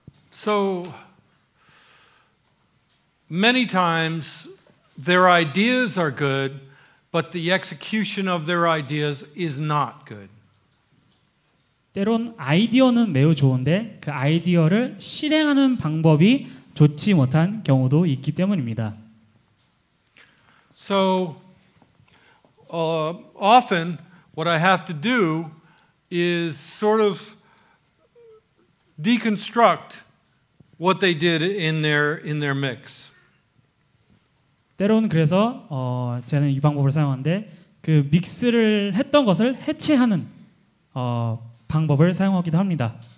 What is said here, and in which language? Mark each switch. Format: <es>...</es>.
<en>So many times their ideas are good, but the execution of their ideas is not good.</en> <ko>때론 아이디어는 매우 좋은데 그 아이디어를 실행하는 방법이 좋지 못한 경우도 있기 때문입니다.</ko> <en>So often what I have to do is sort of deconstruct what they did in their mix.</en> <ko>때론 그래서 저는 이 방법을 사용하는데 그 믹스를 했던 것을 해체하는 방법을 사용하기도 합니다.</ko>